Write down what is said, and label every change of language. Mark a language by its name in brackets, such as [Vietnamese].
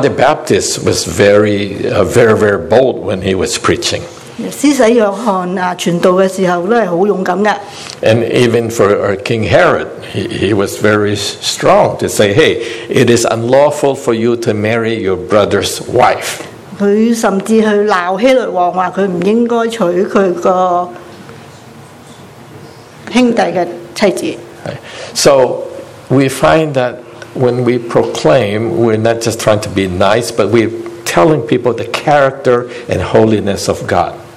[English] the Baptist was very, very, very bold when he was preaching. [Chinese] 施洗约翰传道的时候,都是很勇敢的。And [English] even for King Herod, he was very strong to say, hey, it is unlawful for you to marry your brother's wife. [Chinese] 他甚至去罵希律王,說他不應該娶他的兄弟的妻子。So [English] we find that when we proclaim, we're not just trying to be nice, but we're telling people the character and holiness of God.